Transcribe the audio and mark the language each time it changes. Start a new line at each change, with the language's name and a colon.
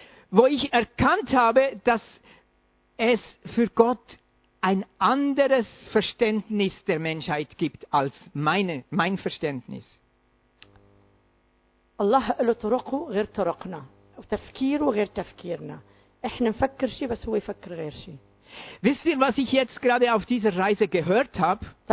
German: Wo ich erkannt habe, dass es für Gott ein anderes Verständnis der Menschheit gibt als mein Verständnis.
Arabic: Allah له طرقه غير طرقنا وتفكيره غير تفكيرنا. احنا نفكر شيء بس هو يفكر غير شيء.
German: Wisst ihr, was ich jetzt gerade auf dieser Reise gehört habe?